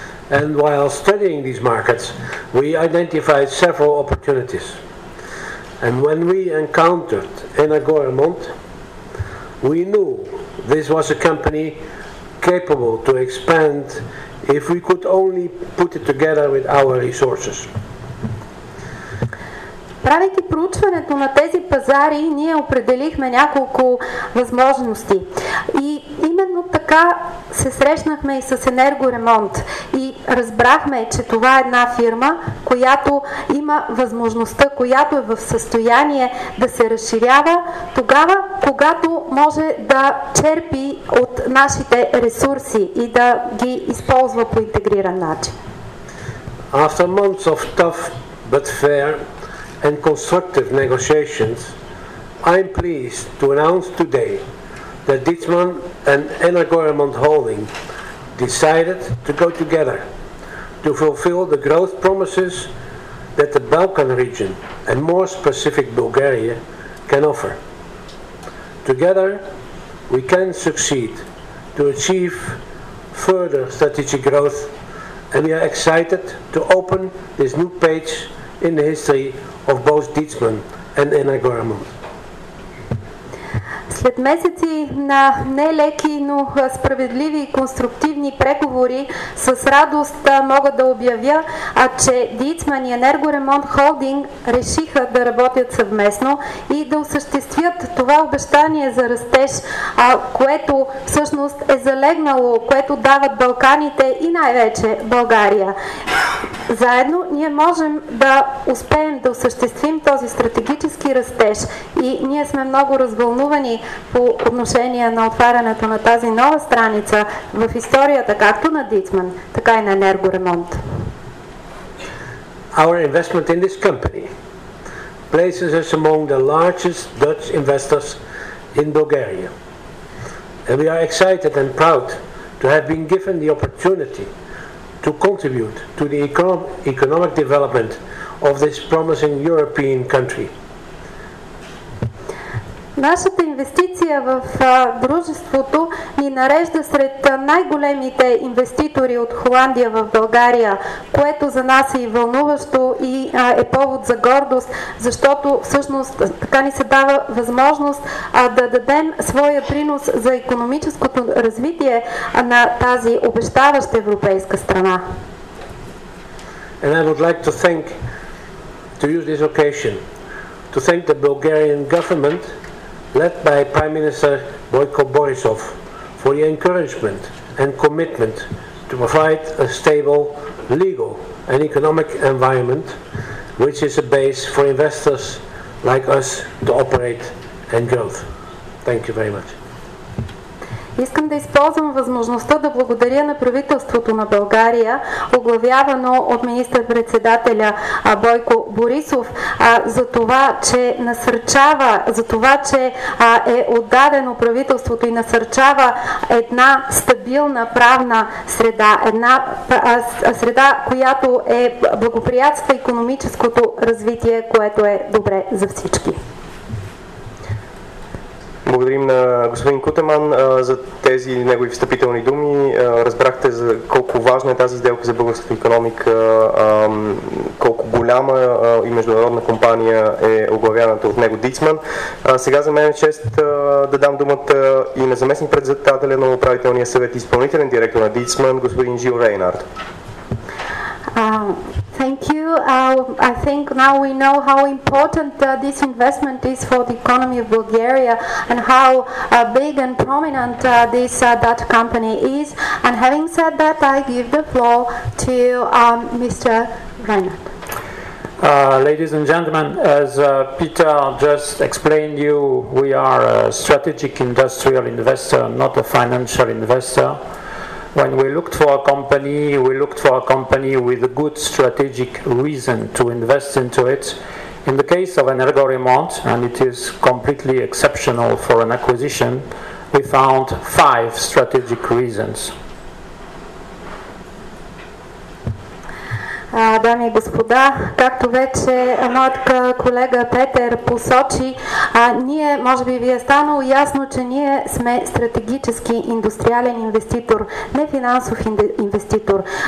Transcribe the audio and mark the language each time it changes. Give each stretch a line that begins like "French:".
English: And while studying these markets, we identified several opportunities. And when we encountered Energoremont, we knew this was a company capable to expand if we could only put it together with our resources.
Bulgarian: Правейки проучването на тези пазари, ние определихме няколко възможности. И именно така се срещнахме и с Енергоремонт и разбрахме, че това е една фирма, която има възможността, която е в състояние да се разширява тогава, когато може да черпи от нашите ресурси и да ги използва по интегриран начин.
English: After months of tough but fair and constructive negotiations, I am pleased to announce today that Ditzman and Energoremont Holding decided to go together to fulfill the growth promises that the Balkan region and more specific Bulgaria can offer. Together, we can succeed to achieve further strategic growth, and we are excited to open this new page in the history of both Ditzman and Energoremont.
Bulgarian: След месеци на нелеки, но справедливи и конструктивни преговори, с радост мога да обявя, че Ditzman и Energoremont Holding решиха да работят съвместно и да осъществят това обещание за растеж, което всъщност е залегнало, което дават Балканите и най-вече България. Заедно ние можем да успеем да осъществим този стратегически растеж и ние сме много развълнувани по отношение на отварянето на тази нова страница в историята както на Ditzman, така и на Енергоремонт.
English: Our investment in this company places us among the largest Dutch investors in Bulgaria. And we are excited and proud to have been given the opportunity to contribute to the economic development of this promising European country.
Bulgarian: Нашата инвестиция в дружеството ни нарежда сред най-големите инвеститори от Холандия в България, което за нас е и вълнуващо и е повод за гордост, защото всъщност така ни се дава възможност да дадем своя принос за икономическото развитие на тази обещаваща европейска страна.
English: And I would like to thank, to use this occasion, to thank the Bulgarian government, led by Prime Minister Boyko Borisov, for the encouragement and commitment to provide a stable legal and economic environment which is a base for investors like us to operate and growth. Thank you very much.
Bulgarian: Искам да използвам възможността да благодаря на правителството на България, оглавявано от министър-председателя Бойко Борисов, за това, че насърчава, за това, че е отдадено правителството и насърчава една стабилна правна среда, една среда, която е благоприятства икономическото развитие, което е добре за всички. Благодарим на господин Кутеман за тези негови встъпителни думи. Разбрахте за колко важна е тази сделка за българската икономика, колко голяма и международна компания е оглавяната от него Дицман. Сега за мен е чест да дам думата и на заместник-председателя на управителния съвет и изпълнителен директор на Дицман, господин Жил Рейнард.
English: Thank you. I think now we know how important this investment is for the economy of Bulgaria and how big and prominent this Dutch company is. And having said that, I give the floor to Mr. Reinhardt. Ladies and gentlemen, as Peter just explained you, we are a strategic industrial investor, not a financial investor. When we looked for a company, we looked for a company with a good strategic reason to invest into it. In the case of Energoremont, and it is completely exceptional for an acquisition, we found five strategic reasons.
Bulgarian: Дами и господа, както вече моят колега Петър посочи, ние, може би ви е станало ясно, че ние сме стратегически индустриален инвеститор, не финансов инвеститор.